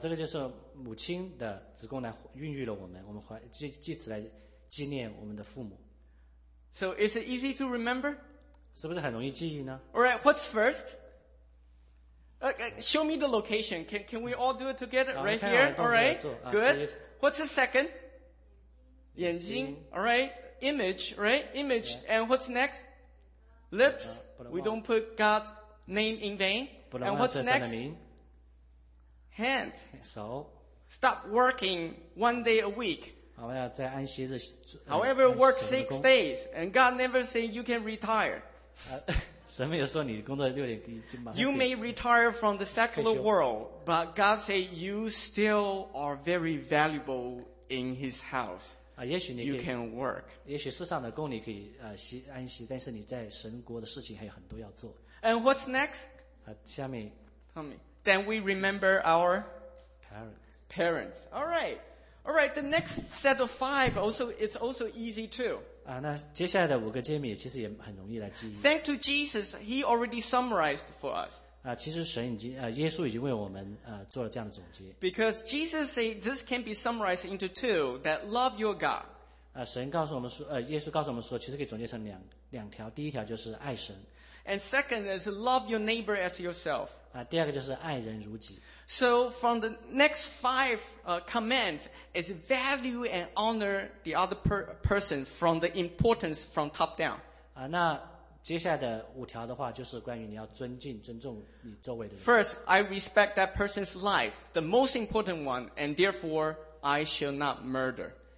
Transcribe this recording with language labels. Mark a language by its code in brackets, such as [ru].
[zh] 这个就是母亲的子宫来孕育了我们，我们怀借此来纪念我们的父母。So [en] is it easy to remember? [zh] 是不是很容易记忆呢？ [en] All right, what's first? Show me the location. Can we all do it together? Right here? All right, good. What's the second? [zh] 眼睛, [en] all right. Image, right? Image. And what's next? Lips. We don't put God's name in vain. And what's next? Hand. So, stop working one day a week. [zh] 我们要在安息日, [en] However, work 6 days. And God never said you can retire. [zh] 神没有说你工作六年, [en] you may retire from the secular world, but God said you still are very valuable in His house. [zh] 也许你可以, [en] you can work. [zh] 也许世上的工你可以, 安息, 但是你在神国的事情还有很多要做。 [en] And what's next? [zh] 下面, [en] tell me. Then we remember our parents. Parents. Alright. Alright, the next set of five also it's also easy too. [zh] 那接下来的五个诫命其实也很容易来记忆。 [en] Thanks to Jesus, He already summarized for us. [zh] 其实神已经耶稣已经为我们做了这样的总结。 [en] Because Jesus said this can be summarized into two, that love your God. [zh] 耶稣告诉我们说其实可以总结成两条，第一条就是爱神。 [en] And second is love your neighbor as yourself. [zh] 第二个就是爱人如己。 [en] So from the next five commands, is value and honor the other person from the importance from top down. [zh] 那接下来的五条的话，就是关于你要尊敬、尊重你周围的人。 [en] First, I respect that person's life, the most important one, and therefore I shall not murder.